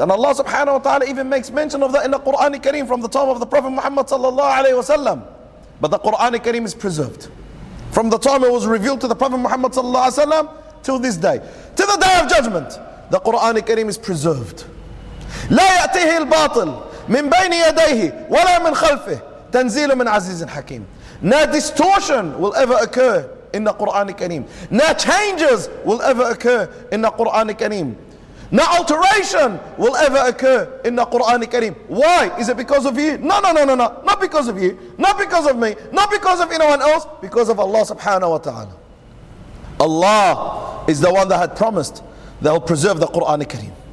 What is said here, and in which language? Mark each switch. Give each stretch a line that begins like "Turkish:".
English: And Allah subhanahu wa ta'ala even makes mention of that in the Quran al-Kareem from the time of the Prophet Muhammad sallallahu alayhi wasallam. But the Quran al-Kareem is preserved. From the time it was revealed to the Prophet Muhammad sallallahu alaihi wasallam till this day, to the day of judgment, the Quran al-Kareem is preserved.
Arabic: لا يأتيه الباطل من بين يديه ولا من خلفه تنزيل من عزيز حكيم.
English: No distortion will ever occur in the Quran al-Kareem. No changes will ever occur in the Quran al-Kareem. No alteration will ever occur in the Quran al-Kareem. Why? Is it because of you? No. Not because of you. Not because of me. Not because of anyone else. Because of Allah subhanahu wa ta'ala. Allah is the one that had promised that will preserve the Quran al-Kareem.